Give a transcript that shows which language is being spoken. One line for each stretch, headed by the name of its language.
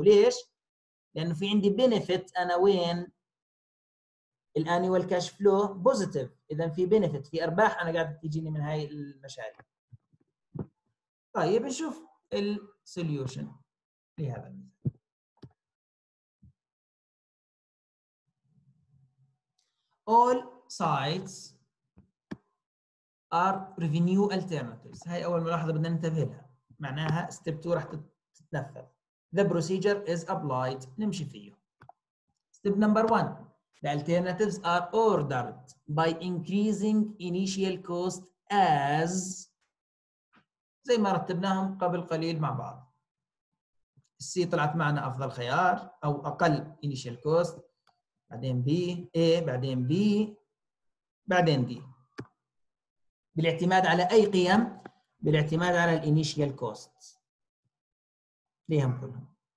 Arabic: ليش؟ لانه في عندي بينيفيت، انا وين الانيوال كاش فلو بوزيتيف، اذا في بينيفيت، في ارباح انا قاعد تجيني من هاي المشاريع. طيب نشوف السوليوشن لهذا المثال.
English: All sites are revenue alternatives.
Arabic: هاي اول ملاحظه بدنا ننتبه لها، معناها ستيب 2 راح تتنفذ.
English: The procedure is applied.
Arabic: نمشي فيه. ستيب نمبر 1.
English: The alternatives are ordered by increasing initial cost as
Arabic: زي ما رتبناهم قبل قليل مع بعض. C طلعت معنا أفضل خيار أو أقل initial cost، بعدين B، A، بعدين B، بعدين D، بالاعتماد على أي قيم؟ بالاعتماد على الـ initial cost ليهم كلهم.